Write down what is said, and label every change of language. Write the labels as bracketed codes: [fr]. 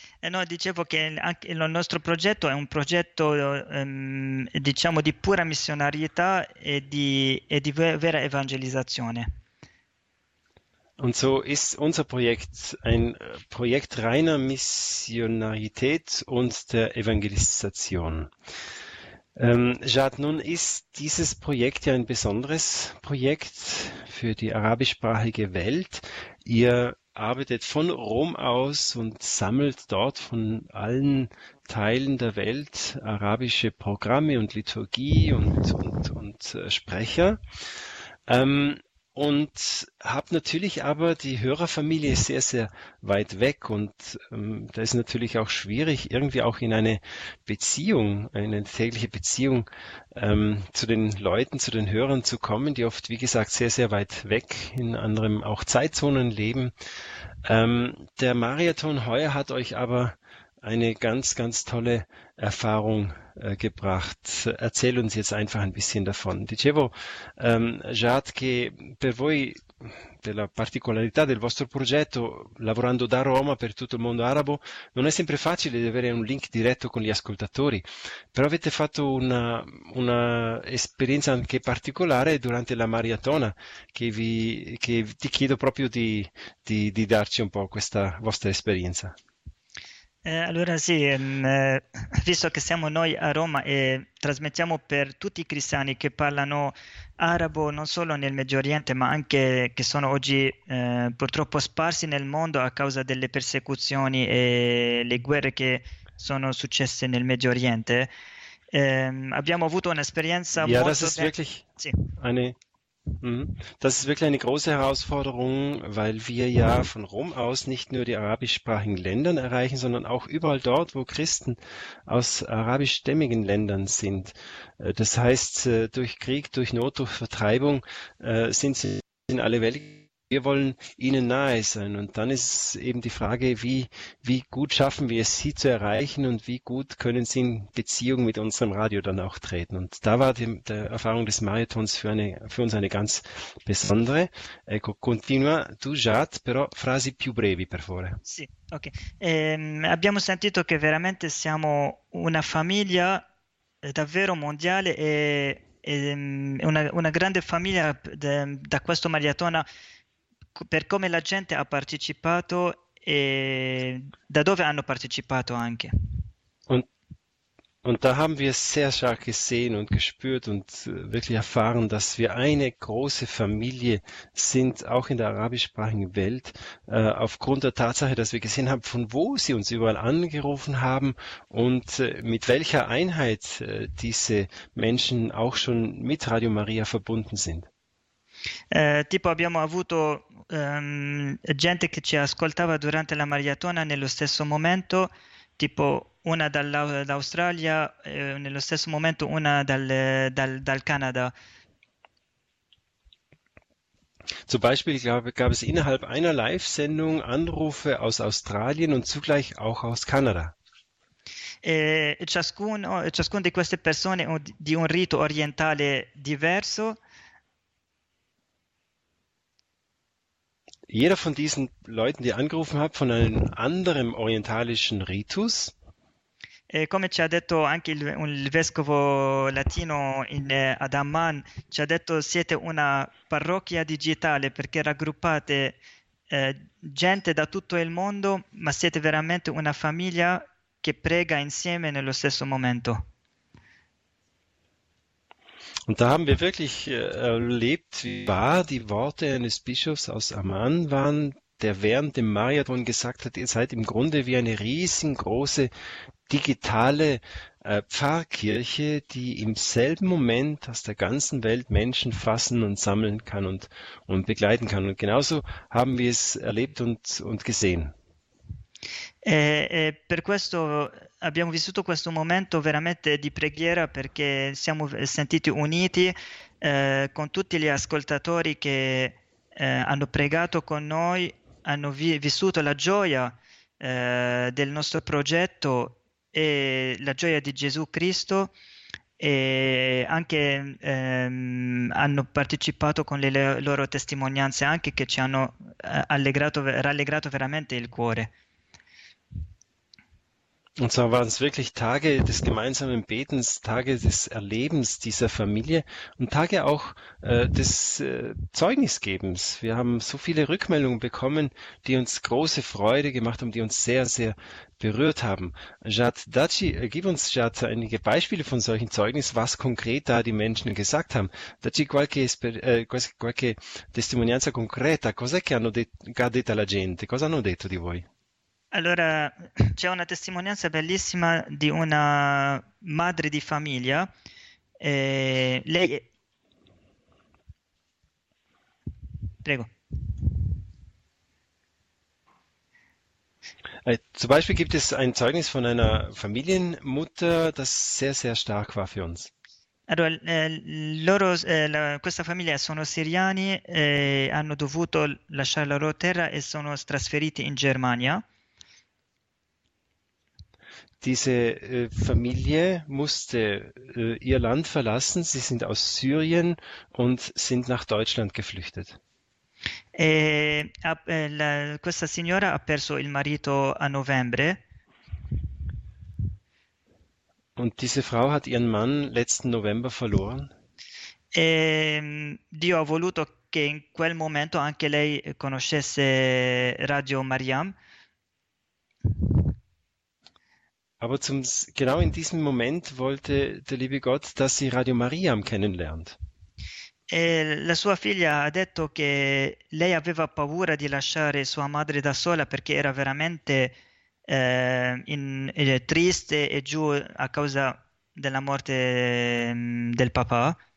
[it] No, dicevo che anche il nostro progetto è un progetto, diciamo, di pura missionarietà e di vera evangelizzazione. [de] Und so ist unser Projekt ein Projekt reiner Missionarität und der Evangelisation. Jad, nun ist dieses Projekt ja ein besonderes Projekt für die arabischsprachige Welt. Ihr arbeitet von Rom aus und sammelt dort von allen Teilen der Welt arabische Programme und Liturgie und Sprecher. Und habt natürlich aber die Hörerfamilie sehr, sehr weit weg. Und da ist natürlich auch schwierig, irgendwie auch in eine Beziehung, eine tägliche Beziehung zu den Leuten, zu den Hörern zu kommen, die oft, wie gesagt, sehr, sehr weit weg in anderen auch Zeitzonen leben. Der Marathon heuer hat euch aber eine ganz, ganz tolle Erfahrung gebracht. Erzähl uns jetzt einfach ein bisschen davon. [it] Dicevo, Jad, che per voi, della particolarità del vostro progetto, lavorando da Roma per tutto il mondo arabo, non è sempre facile avere un link diretto con gli ascoltatori, però avete fatto una esperienza anche particolare durante la maratona, che ti chiedo proprio di darci un po' questa vostra esperienza. Allora sì, visto che siamo noi a Roma e trasmettiamo per tutti i cristiani che parlano arabo non solo nel Medio Oriente, ma anche che sono oggi purtroppo sparsi nel mondo a causa delle persecuzioni e le guerre che sono successe nel Medio Oriente, abbiamo avuto un'esperienza [de] Ja, das [it] molto [de] ist [it] bella. [de] wirklich [it] Sì. [de] eine, das ist wirklich eine große Herausforderung, weil wir ja von Rom aus nicht nur die arabischsprachigen Länder erreichen, sondern auch überall dort, wo Christen aus arabischstämmigen Ländern sind. Das heißt, durch Krieg, durch Not, durch Vertreibung sind sie in alle Welt. Wir wollen ihnen nahe sein. Und dann ist eben die Frage, wie gut schaffen wir es, sie zu erreichen und wie gut können sie in Beziehung mit unserem Radio dann auch treten. Und da war die Erfahrung des Marathons für uns eine ganz besondere. [it] Ecco, continua tu, Jad, però frasi più brevi, per favore. Sì, ok. Abbiamo sentito che veramente siamo una famiglia davvero mondiale e una grande famiglia da questo maratona, per come la gente ha partecipato e da dove hanno partecipato anche. [de] Und da haben wir es sehr stark gesehen und gespürt und wirklich erfahren, dass wir eine große Familie sind, auch in der arabischsprachigen Welt, aufgrund der Tatsache, dass wir gesehen haben, von wo sie uns überall angerufen haben und mit welcher Einheit diese Menschen auch schon mit Radio Maria verbunden sind. [it] Tipo abbiamo avuto gente che ci ascoltava durante la maratona nello stesso momento tipo una dall'Australia, nello stesso momento una dal Canada. [de] Zum Beispiel gab es innerhalb einer Live-Sendung Anrufe aus Australien und zugleich auch aus Kanada. [it] Ciascuno di queste persone di un rito orientale diverso. [de] Jeder von diesen Leuten, die angerufen hat, von einem anderen orientalischen Ritus. [it] Come ci ha detto anche il vescovo latino ad Amman, ci ha detto siete una parrocchia digitale perché raggruppate gente da tutto il mondo, ma siete veramente una famiglia che prega insieme nello stesso momento. [de] Und da haben wir wirklich erlebt, wie wahr die Worte eines Bischofs aus Amman waren, der während dem Mariathon gesagt hat, ihr seid im Grunde wie eine riesengroße digitale Pfarrkirche, die im selben Moment aus der ganzen Welt Menschen fassen und sammeln kann und begleiten kann. Und genauso haben wir es erlebt und gesehen. [it] E per questo abbiamo vissuto questo momento veramente di preghiera perché siamo sentiti uniti con tutti gli ascoltatori che hanno pregato con noi, hanno vi vissuto la gioia del nostro progetto e la gioia di Gesù Cristo e anche hanno partecipato con le loro testimonianze anche che ci hanno rallegrato veramente il cuore. [de] Und zwar waren es wirklich Tage des gemeinsamen Betens, Tage des Erlebens dieser Familie und Tage auch des Zeugnisgebens. Wir haben so viele Rückmeldungen bekommen, die uns große Freude gemacht haben, die uns sehr, sehr berührt haben. Jad Daci, gib uns Jad einige Beispiele von solchen Zeugnissen, was konkret da die Menschen gesagt haben. [it] Daci qualche testimonianza concreta, cos'è che ha detto la gente? Cosa hanno detto di voi? Allora, c'è una testimonianza bellissima di una madre di famiglia. Lei è. Prego. [de] Zum Beispiel gibt es ein Zeugnis von einer Familienmutter, das sehr, sehr stark war für uns. [it] Allora, questa famiglia sono siriani e hanno dovuto lasciare la loro terra e sono trasferiti in Germania. [de] Diese Familie musste ihr Land verlassen. Sie sind aus Syrien und sind nach Deutschland geflüchtet. [it] Questa signora ha perso il marito a novembre. [de] Und diese Frau hat ihren Mann letzten November verloren. [it] Dio ha voluto che in quel momento anche lei conoscesse Radio Mariam. [de] Aber genau in diesem Moment wollte der liebe Gott, dass sie Radio Mariam kennenlernt. [it] E la sua figlia ha detto che lei aveva paura di lasciare sua madre da sola perché era veramente triste e giù a causa della morte del papà.